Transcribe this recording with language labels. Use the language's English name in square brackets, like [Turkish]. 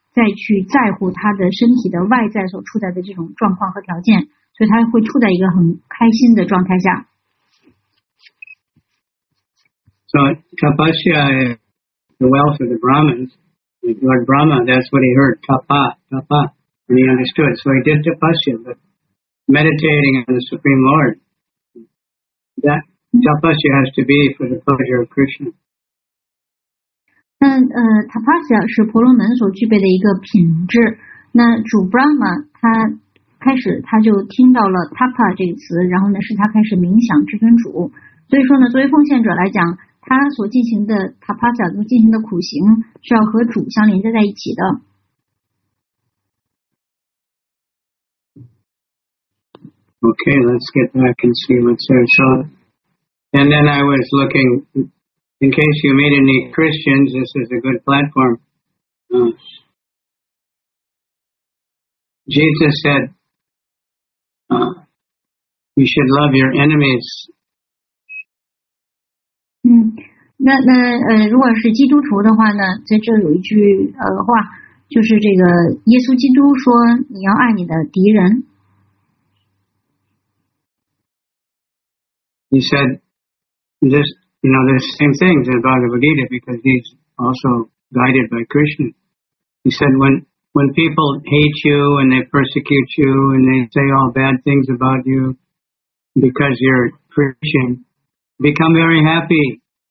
[Chinese] 再去在乎他的身体的外在所处在的这种状况和条件，所以他会处在一个很开心的状态下。 [English] So tapasya is the wealth of the Brahmins. Lord Brahma, that's what he heard, tapa, and he understood. So he did tapasya, but meditating on the Supreme Lord. That tapasya has to be for the pleasure of Krishna. [Chinese] Tapasya 是婆罗门所具备的一个品质。那主 Brahma 他开始他就听到了 Tapa 这个词，然后呢是他开始冥想至尊主。所以说呢，作为奉献者来讲，他所进行的 Tapasya 所进行的苦行是要和主相连接在一起的。 [English] Okay, let's get back and see what's there. So, and then I was looking. In case you meet any Christians, this is a good platform. Jesus said, you should love your enemies. [Chinese] 如果是基督徒的话呢，在这有一句话，就是这个耶稣基督说你要爱你的敌人。 [English] He said this, you know, the same thing as Bhagavad Gita because he's also guided by Krishna. He said when people hate you and they persecute you and they say all bad things about you because you're Christian, become very happy.